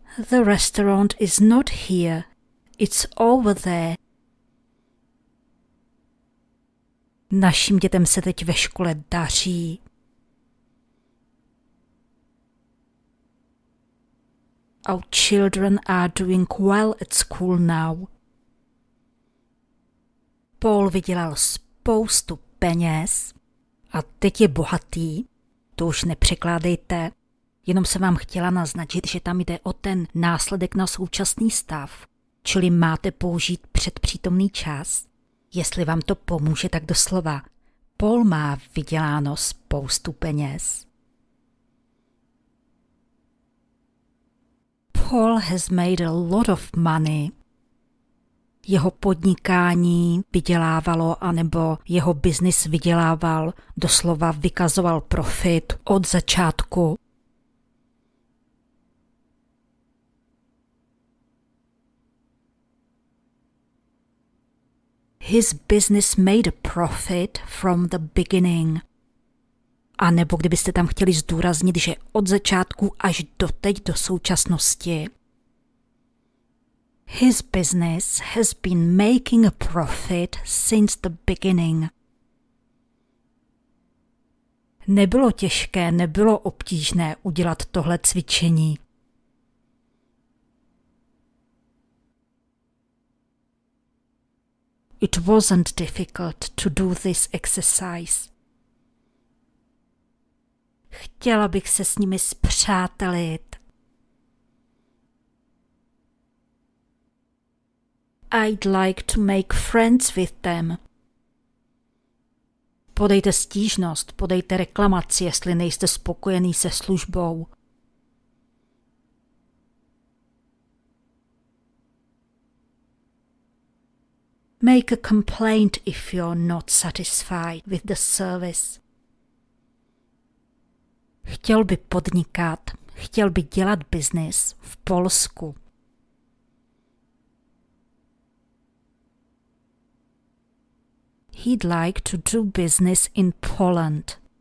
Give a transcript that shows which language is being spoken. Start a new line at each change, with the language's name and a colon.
English: The restaurant is not here, it's over there.
Czech: Našim dětem se teď ve škole daří.
English: Our children are doing well at school now.
Czech: Paul vydělal spoustu peněz a teď je bohatý. To už nepřekládejte. Jenom jsem vám chtěla naznačit, že tam jde o ten následek na současný stav. Čili máte použít předpřítomný čas. Jestli vám to pomůže, tak doslova. Paul má vyděláno spoustu peněz.
English: Paul has made a lot of money.
Czech: Jeho podnikání vydělávalo, anebo jeho biznis vydělával, doslova vykazoval profit od začátku.
English: His business made a profit from the beginning.
Czech: A nebo kdybyste tam chtěli zdůraznit, že od začátku až doteď do současnosti.
English: His business has been making a profit since the beginning.
Czech: Nebylo těžké, nebylo obtížné udělat tohle cvičení.
English: It wasn't difficult to do this exercise.
Czech: Chtěla bych se s nimi spřátelit.
English: I'd like to make friends with them.
Czech: Podejte stížnost, podejte reklamaci, jestli nejste spokojený se službou.
English: Make a complaint if you're not satisfied with the service.
Czech: Chtěl by podnikat, chtěl by dělat business v Polsku.
English: He'd like to do business in Poland.